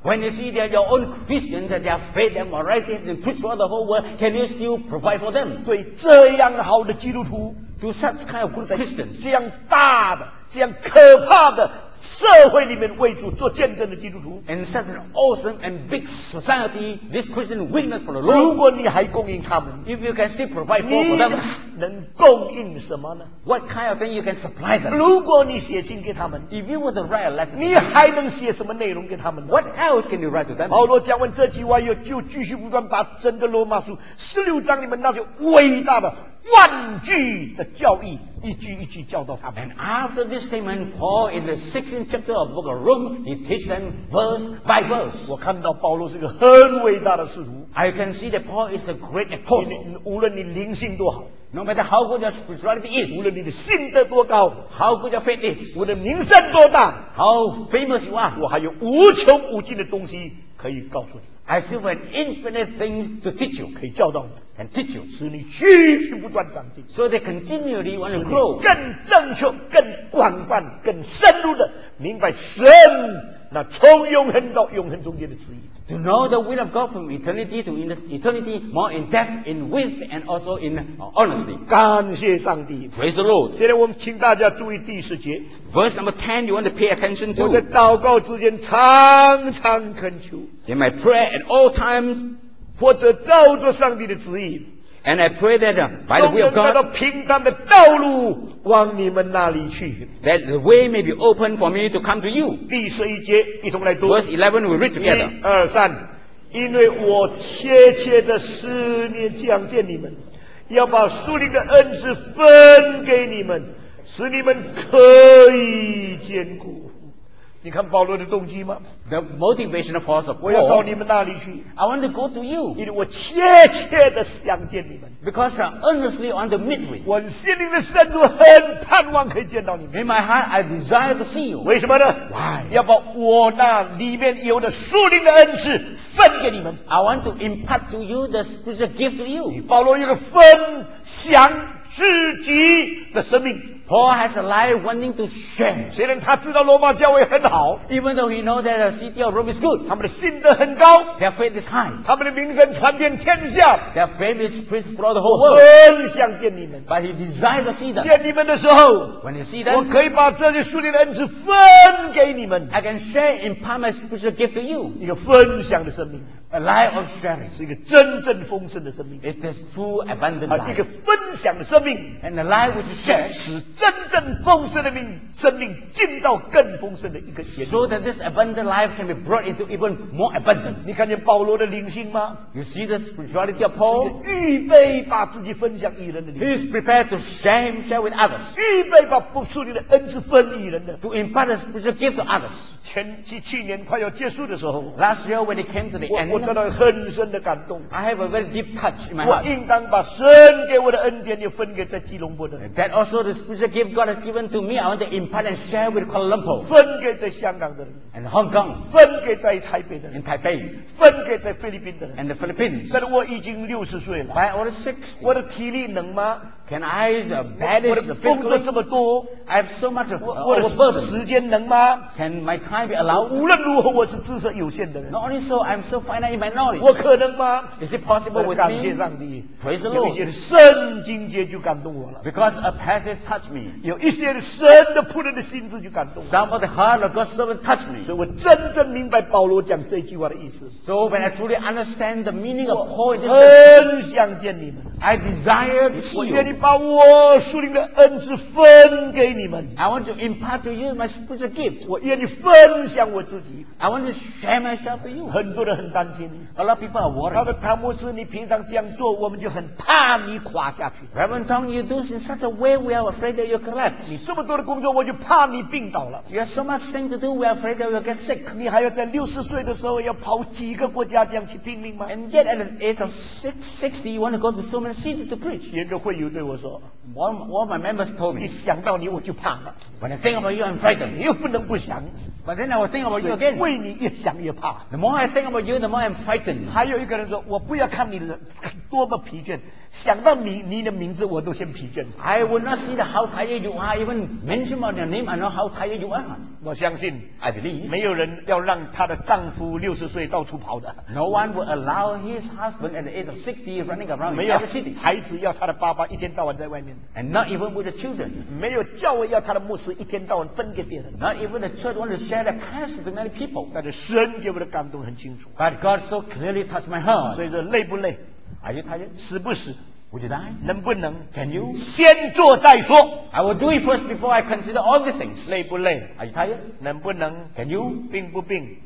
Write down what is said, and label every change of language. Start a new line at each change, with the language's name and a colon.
English: When you see that your own Christians, that their faith and morality has been preached throughout the whole world, can you still provide for them?
Chinese: 对这样好的基督徒，
English: to such kind of good Christians,
Chinese: 这样大的、这样可怕的社会里面为主做见证的基督徒，
English: and such an awesome and big society, this Christian witness for the Lord.
Chinese: 如果你还供应他们，
English: if you can still provide for them.
Chinese: 能供应什么呢？
English: What kind of thing you can supply them?
Chinese: 如果你写信给他们，
English: If you were to write a letter,
Chinese: 你还能写什么内容给他们呢？
English: What else can you write to them?
Chinese: 保罗讲完这句话又就继续不断把整个罗马书十六章里面那些伟大的万句的教义一句一句教导他们。
English: And after this statement, Paul in the 16th chapter of the book of Rome, he teaches them verse by verse.
Chinese: 我看到保罗是个很伟大的使徒。
English: I can see that Paul is a great apostle.
Chinese: 无论你灵性多好。
English: No matter how good your spirituality is,
Chinese: 无论你的信德多高，
English: how good your faith is,
Chinese: 无论名声多大，
English: how famous you are,
Chinese: 我还有无穷无尽的东西可以告诉你。
English: I still have an infinite thing to teach you,
Chinese: 可以教导你，
English: and teach you,
Chinese: 使你继续不断长进，
English: so they continually want to grow,
Chinese: 更正确、更广泛、更深入的明白神那从永恒到永恒中间的旨意。
English: To know the will of God from eternity to eternity, more in depth, in width, and also in honesty.
Chinese: 感谢上帝。
English: Praise the Lord.
Chinese: 现在我们请大家注意第十节。
English: Verse number 10, you want to pay attention to.
Chinese: 我在祷告之间常常恳求。
English: In my prayer at all times,
Chinese: 或者照着上帝的旨意。
English: And I pray that by the will of God,
Chinese: 能找到平坦的道路往你们那里去。
English: That the way may be open for me to come to you.
Chinese: 第十一节，一同来读。
English: Verse 11, we read together.
Chinese: 一二三，因为我切切的思念想见你们，要把属灵的恩赐分给你们，使你们可以坚固。你看保罗的动机吗？
English: The motivation of Paul.
Chinese: 我要到你们那里去。
English: I want to go to you.
Chinese: 因为我切切的想见你们。
English: Because I earnestly want to meet with you.
Chinese: 我心灵的深处很盼望可以见到你们。
English: In my heart, I desire to see you.
Chinese: 为什么呢？
English: Why?
Chinese: 要把我那里面有的属灵的恩赐分给你们。
English: I want to impart to you the spiritual gift to you.
Chinese: 保罗有个分享自己的生命。
English: Paul has a life wanting to share.
Chinese: 虽然他知道罗马教会很好，
English: even though he know that the city of Rome is good,
Chinese: 他们的信德很高，
English: their faith is high,
Chinese: 他们的名声传遍天下，
English: their fame is spread throughout the whole world.
Chinese: 很想见你们，
English: but he desired to see them.
Chinese: 见你们的时候，
English: when you see them,
Chinese: 我可以把这些属灵的恩赐分给你们，
English: I can share and impart my spiritual gift to you.
Chinese: 一个分享的生命，
English: a life of sharing,
Chinese: 是一个真正丰盛的生命，
English: it is true abundant life.
Chinese: 一个分享的生命，
English: and a life which shares.
Chinese: 真正丰盛的命，生命进到更丰盛的一个阶段。
English: So that this abundant life can be brought into even more abundant.
Chinese: 你看见保罗的灵性吗？
English: You see the spirituality of Paul.
Chinese: 预备把自己分享与人的灵性。
English: He is prepared to share with others.
Chinese: 预备把不属灵的恩赐分与人的。
English: To impart a spiritual gift to others.
Chinese: 去年快要结束的时候。
English: Last year when it came to the end.
Chinese: 我得到很深的感动。
English: I have a very deep touch in my heart.
Chinese: 我应当把神给我的恩典也分给在基隆坡的。
English: That also the spiritual The gift God has given to me, I want to impart and share with Kuala Lumpur.
Chinese: 分给在香港的人。
English: And Hong Kong.
Chinese: 分给在台北的人。
English: In Taipei.
Chinese: 分给在菲律宾的人。
English: And the Philippines.
Chinese: 但是我已经六十岁了。
English: By over 60.
Chinese: 我的体力能吗？
English: Can I use a badge?
Chinese: 我的工作这么多。
English: I have so much overburden.
Chinese: 我的时间能吗？
English: Can my time be allowed?
Chinese: 无论如何，我是知识有限的人。
English: Not only so, I'm so finite in my knowledge.
Chinese: 我可能吗？
English: Is it possible with me?
Chinese: 感谢上帝。
English: Praise the Lord.
Chinese: 有一些圣经节就感动我了。
English: Because a passage touched me.
Chinese: 有一些神的仆人的心思就感动。
English: Some of the heart of God's servant touched me.
Chinese: 所以我真正明白保罗讲这句话的意思。
English: So when I truly understand the meaning of Paul,
Chinese: 我很想见你们。
English: I desire to see you.
Chinese: 愿意把我属灵的恩赐分给你们。
English: I want to impart to you my spiritual gift.
Chinese: 我愿意分享我自己。
English: I want to share myself to you.
Chinese: 很多人很担心。
English: A lot of people are worried.
Chinese: 他说汤姆斯，你平常这样做，我们就很怕你垮下去。
English: Reverend Tom, you do in such a way we are afraid that you collapse.
Chinese: 你这么多的工作，我就怕你病倒了。
English: You have so much thing to do, we are afraid that you get sick.
Chinese: 你还要在六十岁的时候要跑几个国家这样去拼命吗？
English: And yet at the age of 60, you want to go to so many cities to preach.
Chinese: 有个会友对我说，
English: One of my members told me,
Chinese: 一想到你我就怕了。
English: When I think about you, I'm frightened.
Chinese: 你又不能不想。
English: But then I will think about you again.
Chinese: 为你越想越怕。
English: The more I think about you, the more I'm frightened.
Chinese: 还有一个人说，我不要看你多么疲倦。想到你的名字我都先疲倦。
English: I will not see the how tired you are. Even mention about your name, I know how tired you are.
Chinese: 我相信
English: I believe
Chinese: 没有人要让他的丈夫六十岁到处跑的。
English: No one will allow his husband at the age of 60 running around in the city.
Chinese: 孩子要他的爸爸一天到晚在外面。
English: And not even with the children.
Chinese: 没有教会要他的牧师一天到晚分给别人。
English: Not even the church want to share the past to many people.
Chinese: 但是神给我的感动很清楚。
English: But God so clearly touched my heart.
Chinese: 所以说累不累？
English: Are you tired?
Chinese: 死不死？
English: Would you die?
Chinese: 能不能
English: ？Can you？
Chinese: 先做再说。
English: I will do it first before I consider all the things。
Chinese: 累不累
English: ？Are you tired？
Chinese: 能不能
English: ？Can you？
Chinese: 病不病